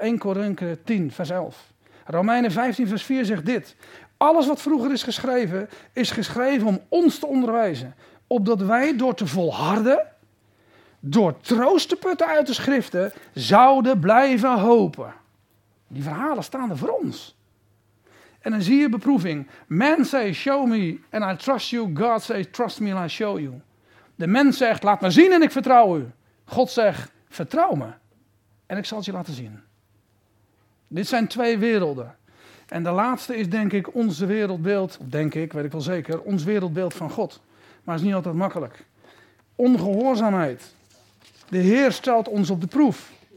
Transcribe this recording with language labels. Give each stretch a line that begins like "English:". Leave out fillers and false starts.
Dutch: 1 Korinthe 10, vers 11. Romeinen 15, vers 4 zegt dit. Alles wat vroeger is geschreven om ons te onderwijzen. Opdat wij door te volharden, door troost te putten uit de schriften, zouden blijven hopen. Die verhalen staan er voor ons. En dan zie je beproeving.
English: Man says, show me and I trust you. God says, trust me and I show you.
Dutch: De mens zegt, laat me zien en ik vertrouw u. God zegt, vertrouw me en ik zal het je laten zien. Dit zijn twee werelden. En de laatste is denk ik onze wereldbeeld, denk ik, weet ik wel zeker, ons wereldbeeld van God. Maar het is niet altijd makkelijk. Ongehoorzaamheid. De Heer stelt ons op de proef.